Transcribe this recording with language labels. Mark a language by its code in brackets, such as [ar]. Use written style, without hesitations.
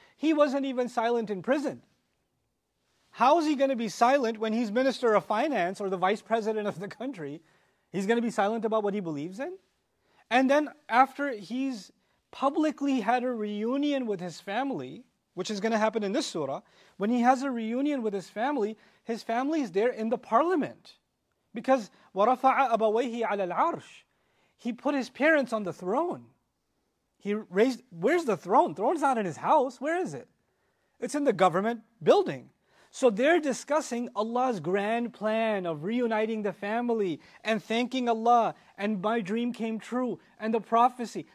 [en] He wasn't even silent in prison. How is he going to be silent when he's minister of finance or the vice president of the country? He's going to be silent about what he believes in? And then after he's publicly had a reunion with his family, which is going to happen in this surah, when he has a reunion with his family is there in the parliament. Because [ar] وَرَفَعَ أَبَوَيْهِ عَلَى الْعَرْشِ. [en] He put his parents on the throne. Where's the throne? Throne's not in his house. Where is it? It's in the government building. So they're discussing Allah's grand plan of reuniting the family and thanking Allah and my dream came true and the prophecy.